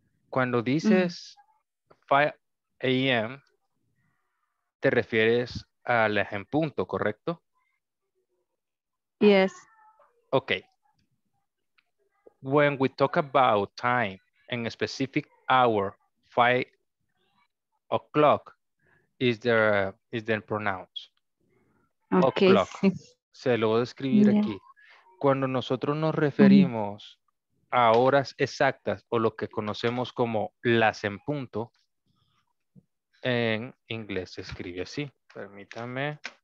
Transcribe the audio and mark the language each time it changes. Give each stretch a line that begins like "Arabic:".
Spanish: Cuando dices 5 a.m., te refieres a las en punto, ¿correcto?
English: Yes. Okay. When we talk about time in a specific hour, 5 o'clock is the pronoun. Okay. O'clock.
Spanish: Se lo voy a escribir aquí. Cuando nosotros nos referimos a horas exactas o lo que conocemos como las en punto, en inglés se escribe así. Permítame.